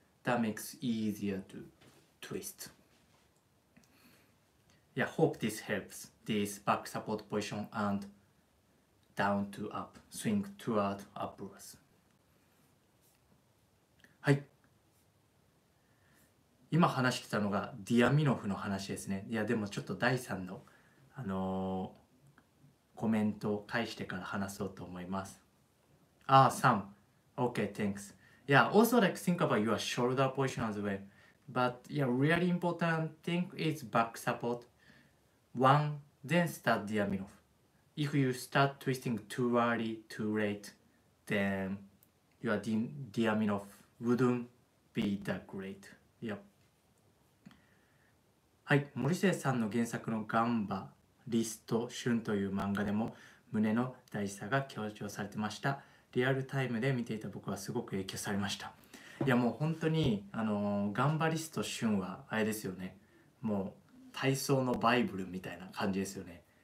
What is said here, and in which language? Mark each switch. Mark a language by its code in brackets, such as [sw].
[en] That makes easier to twist. Yeah, hope this helps. This back support position and down to up, swing toward upwards. はい。 [ja] 今話してたのがディアミノフの話ですね。いやでもちょっと第3のコメントを返してから話そうと思います。 [en] あー、サム Okay, thanks. Yeah, also like think about your shoulder position as well. But yeah, really important thing is back support. One, then start the Aminov. If you start twisting too early, too late, then your the Aminov wouldn't be that great. Yep. [ja] はい、森末さんの原作のガンバ、リスト、シュンという漫画でも胸の大事さが強調されてました。リアルタイムで見ていた僕はすごく影響されました。いやもう本当にガンバリスト旬はあれですよね、もう体操のバイブルみたいな感じですよね。